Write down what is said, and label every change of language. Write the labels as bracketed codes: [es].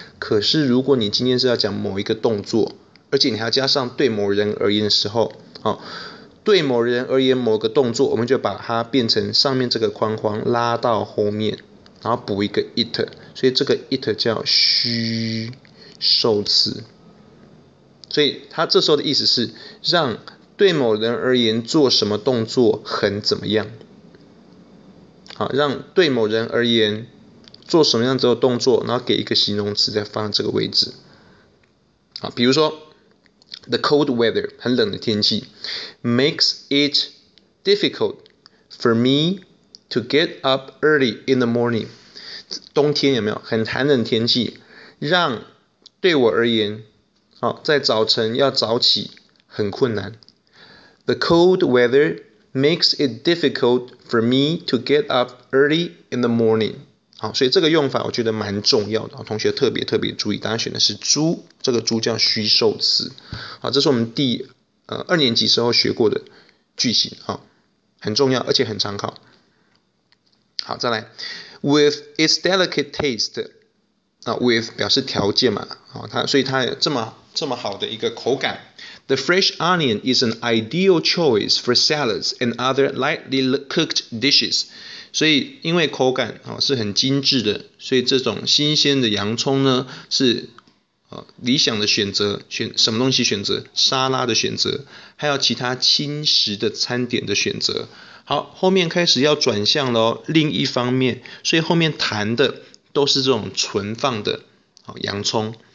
[zh] 可是如果你今天是要讲某一个动作，而且你还要加上对某人而言的时候，好，对某人而言某个动作，我们就把它变成上面这个框框拉到后面，然后补一个 it， 所以这个 it 叫虚受词。所以它这时候的意思是让对某人而言做什么动作很怎么样。好，让对某人而言做什么样子的动作，然后给一个形容词再放在这个位置。好，比如说 [en] the cold weather [zh] 很冷的天气 [en] makes it difficult for me to get up early in the morning。 [zh] 冬天有没有很寒冷的天气，让对我而言，好，在早晨要早起很困难。 [en] The cold weather makes it difficult for me to get up early in the morning。 [zh] 好，所以这个用法我觉得蛮重要的，同学特别特别注意，答案选的是 do， 这个 do 叫虚受词。好，这是我们第二年级时候学过的句型，好，很重要，而且很常考。好，再来 ， [en] with its delicate taste， [zh] 啊 ，with 表示条件嘛，啊，它所以它有这么好的一个口感。 [en] The fresh onion is an ideal choice for salads and other lightly cooked dishes。 [zh] 所以，因为口感啊是很精致的，所以这种新鲜的洋葱呢是理想的选择，选什么东西选择？沙拉的选择，还有其他轻食的餐点的选择。好，后面开始要转向了，另一方面，所以后面谈的都是这种存放的洋葱。